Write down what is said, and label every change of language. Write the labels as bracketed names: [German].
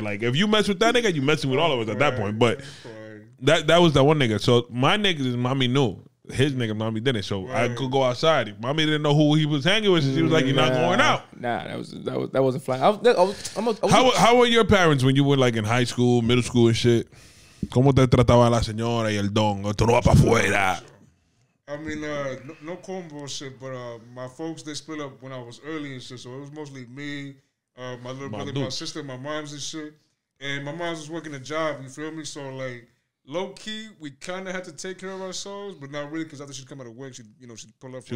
[English] Like, if you mess with that nigga, you messing with all of us at that point. But that was that one nigga. So my nigga is mommy knew. His nigga, mommy didn't. So I could go outside. Mommy didn't know who he was hanging with. She was like, you're not going out. Nah, that wasn't flying. How were your parents when you were, like, in high school, middle school and shit? [Spanish] ¿Cómo te trataba la señora y el don? ¿Tú no vas para afuera? [English] I mean, no combo shit, but my folks, they split up when I was early and shit. So it was mostly me, my little brother, my sister, my mom's and shit. And my mom's was working a job, you feel me? So, like, low key, we kind of had to take care of ourselves, but not really, because after she'd come out of work, she'd, you know, she'd pull up.